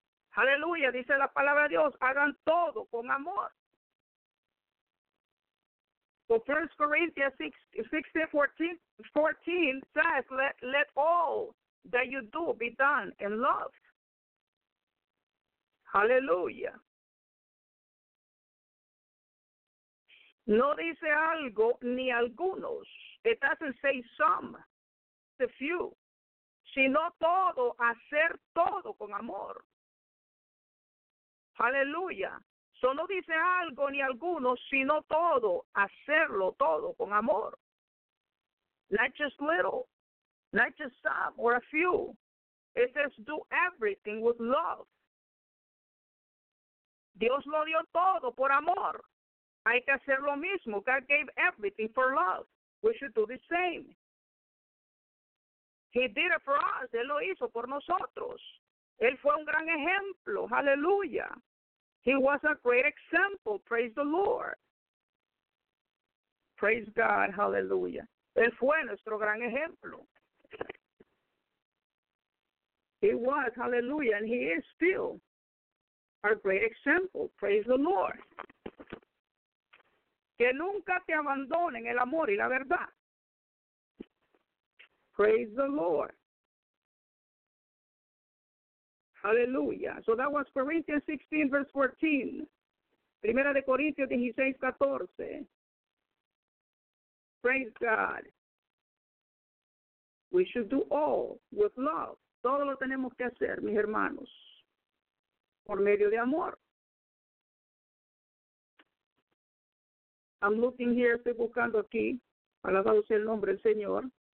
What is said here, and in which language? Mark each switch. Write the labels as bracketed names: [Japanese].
[Spanish] Hallelujah, dice la palabra de Dios, hagan todo con amor. [English] So 1 Corinthians 16, 14 says, let all that you do be done in love. Hallelujah. [Spanish] No dice algo ni algunos. [English] It doesn't say some, the few, [Spanish] sino todo, hacer todo con amor. Hallelujah. So no dice algo ni alguno, sino todo, hacerlo todo con amor. [English] Not just little, not just some or a few. It says do everything with love. [Spanish] Dios lo dio todo por amor. Hay que hacer lo mismo. [English] God gave everything for love. We should do the same. He did it for us. [Spanish] Él lo hizo por nosotros. Él fue un gran ejemplo. Hallelujah. [English] He was a great example. Praise the Lord. Praise God. Hallelujah. [Spanish] Él fue nuestro gran ejemplo. [English] He was. Hallelujah. And he is still our great example. Praise the Lord. [Spanish] Que nunca te abandonen el amor y la verdad. [English] Praise the Lord. Hallelujah. So that was Corinthians 16, verse 14. [Spanish] Primera de Corintios 16, 14. [English] Praise God. We should do all with love. [Spanish] Todo lo tenemos que hacer, mis hermanos, por medio de amor. [English] I'm looking here, [Spanish] estoy buscando aquí, alabado sea el nombre del Señor.